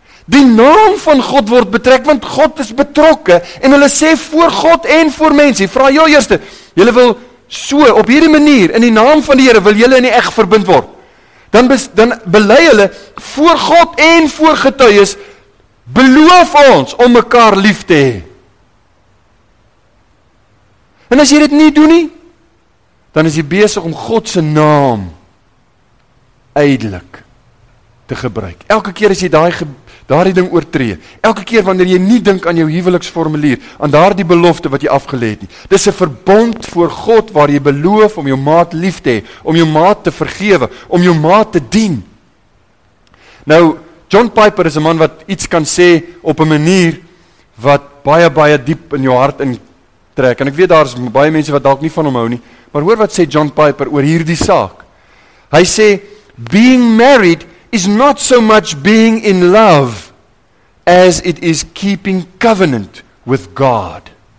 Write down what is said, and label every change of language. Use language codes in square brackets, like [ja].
[af] Die naam van God word betrek, want God is betrokke, en hulle sê voor God en voor mense, vra jou eerste, julle wil so, op hierdie manier, in die naam van die Here, wil julle in die eg verbind word, dan bely hulle, voor God en voor getuies, beloof ons om mekaar lief te hê. En as jy dit nie doen nie, dan is jy besig om Godse naam ydelik te gebruik. Elke keer as jy daardie ding oortree, elke keer wanneer jy nie dink aan jou huweliksformulier, aan daardie belofte wat jy afgelê het nie, dis 'n verbond voor God waar jy beloof om jou maat lief te hê, om jou maat te vergewe, om jou maat te dien. Nou, John Piper is 'n man wat iets kan sê op 'n manier wat baie, baie diep in jou hart intrek, en ek weet daar is baie mense wat dalk nie van hom hou nie, maar hoor wat sê John Piper oor hierdie saak. Hy sê, [en] being married is not so much being in love as it is keeping covenant with God.